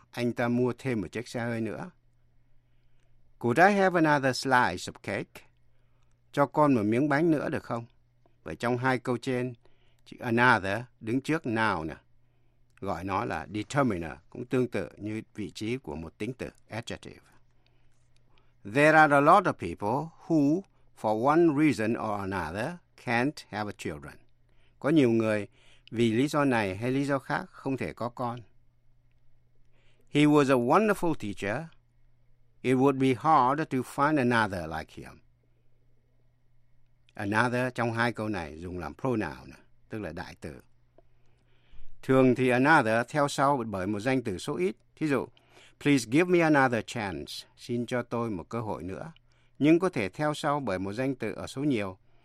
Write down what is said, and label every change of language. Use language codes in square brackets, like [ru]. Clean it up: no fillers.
[vi] Anh ta mua thêm một chiếc xe hơi nữa. [en] Could I have another slice of cake? [vi] Cho con một miếng bánh nữa được không? Vậy trong hai câu trên, chữ another đứng trước noun nè. Gọi nó là determiner, cũng tương tự như vị trí của một tính từ, adjective. [en] There are a lot of people who, for one reason or another, can't have children. [vi] Có nhiều người vì lý do này hay lý do khác không thể có con. [en] He was a wonderful teacher. It would be hard to find another like him. [vi] Another trong hai câu này dùng làm pronoun, tức là đại từ. Thường thì another theo sau bởi một danh từ số ít. Thí dụ, [en] please give me another chance. [vi] Xin cho tôi một cơ hội nữa. Nhưng có thể theo sau bởi một danh từ ở số nhiều.